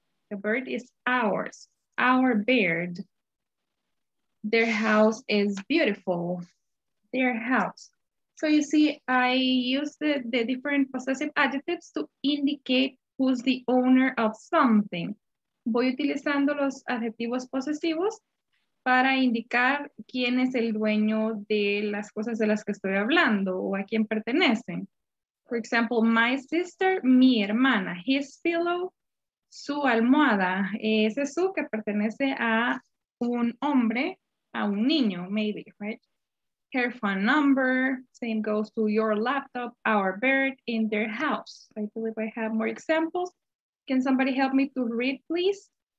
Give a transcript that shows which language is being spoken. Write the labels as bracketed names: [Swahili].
[English] The bird is ours, our bird. Their house is beautiful, their house. So you see, I use the different possessive adjectives to indicate who's the owner of something. [Spanish] Voy utilizando los adjetivos posesivos para indicar quién es el dueño de las cosas de las que estoy hablando o a quién pertenecen. [English] For example, my sister, [Spanish] mi hermana, [English] his pillow, [Spanish] su almohada. Ese es su que pertenece a un hombre, a un niño, [English] maybe, right? Her phone number, same goes to your laptop, our bird, in their house. I believe I have more examples. Can somebody help me to read, please?